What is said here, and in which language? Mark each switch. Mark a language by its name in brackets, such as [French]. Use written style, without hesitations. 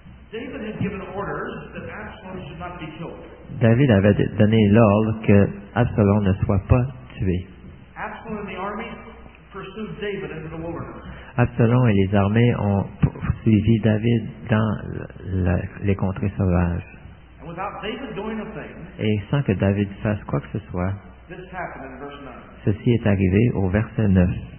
[English] David had given orders that Absalom should not be killed. [French] David avait donné l'ordre que Absalom ne soit pas tué. [English] Absalom and the army pursued David into the wilderness. [French] Absalom et les armées ont suivi David dans les contrées sauvages. [English] And without David doing a thing, [French] et sans que David fasse quoi que ce soit, [English] this happened in verse 9. [French] Ceci est arrivé au verset 9.